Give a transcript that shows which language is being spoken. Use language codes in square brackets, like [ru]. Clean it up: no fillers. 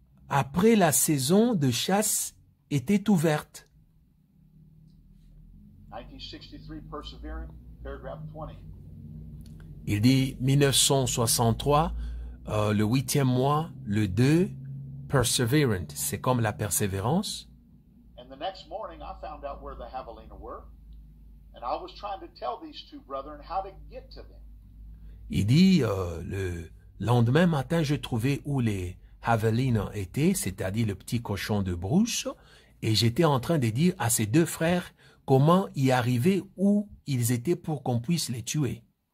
[fr] Après la saison de chasse était ouverte. [en] 1963, Perseverance, paragraph 20. [fr] Il dit 1963, le huitième mois, le 2, Perseverance, c'est comme la persévérance. [en] And the next morning, I found out where the javelina were, and I was trying to tell these two brethren how to get to them. [fr] Il dit le lendemain matin, je trouvais où les Javelina était, c'est-à-dire le petit cochon de brousse, et j'étais en train de dire à ses deux frères comment y arriver, où ils étaient pour qu'on puisse les tuer.